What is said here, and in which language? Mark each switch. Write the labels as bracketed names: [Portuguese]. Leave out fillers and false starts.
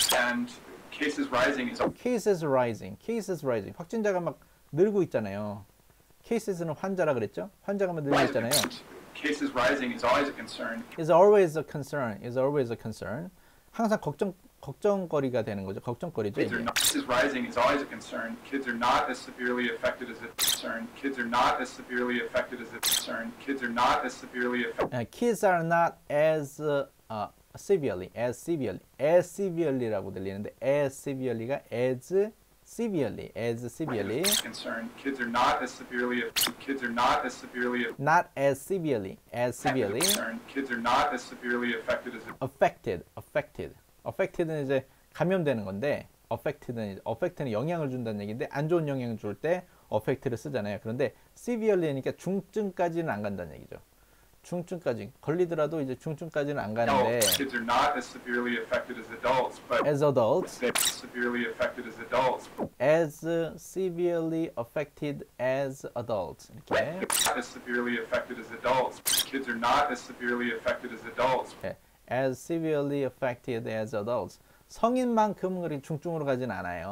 [English] And Cases rising. [Korean] 확진자가 막 늘고 있잖아요. Cases는 환자라 그랬죠? 환자가 막 늘고 있잖아요. [English] Cases rising is always a concern. Is always a concern. [Korean] 항상 걱정거리가 되는 거죠. 걱정거리죠. [English] Kids are not, cases rising is always a concern. Kids are not as severely affected as a concern. Kids are not as severely affected as a concern. Kids are not as severely affected. Kids are not as severely라고 들리는데 as severely가 as severely. Concern. Kids are not as severely. Kids are not as severely. Not as severely. As severely. Concern. Kids are not as severely affected as [Korean] affected. Affected. Affected는 이제 감염되는 건데 affected는 이제 affected는 영향을 준다는 얘기인데 안 좋은 영향을 줄 때 affected를 쓰잖아요. 그런데 severely니까 중증까지는 안 간다는 얘기죠. 중증까지 걸리더라도 이제 중증까지는 안 가는데 [English] kids are not as severely affected as adults but as adults severely affected as adults as severely affected as adults okay as severely affected as adults kids are not as severely affected as adults okay. as severely affected as adults [Korean] 성인만큼 그렇게 중증으로 가진 않아요.